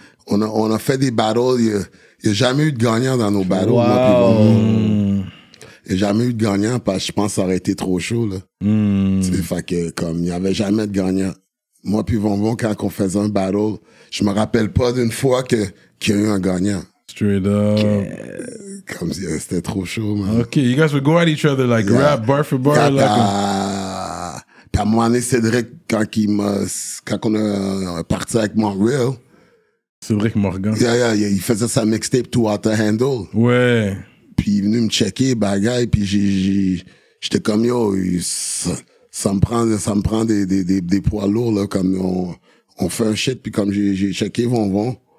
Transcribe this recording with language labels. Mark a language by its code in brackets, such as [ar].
[fr] On a fait des battles. Il n'y a jamais eu de gagnant dans nos battles. Wow. Il n'y a jamais eu de gagnant parce que je pense que ça aurait été trop chaud. Là. Fait que comme il n'y avait jamais de gagnant. Moi, puis Vonvon, quand on faisait un battle, je me rappelle pas d'une fois qu'il y a eu un gagnant. [en] Straight up. [fr] Comme si c'était trop chaud, man. [en] OK, you guys would go at each other, like, rap, bar for bar. Yeah, like [fr] puis à un moment donné, Cédric, quand on a parti avec Montreal. Cédric Morgan. Yeah, il faisait sa mixtape, Too Hot to Handle. Ouais. Puis il est venu me checker, bagaille, puis j'étais comme, yo, ça me prend des poids lourds, là, comme on fait un shit, puis comme j'ai checké, Vonvon.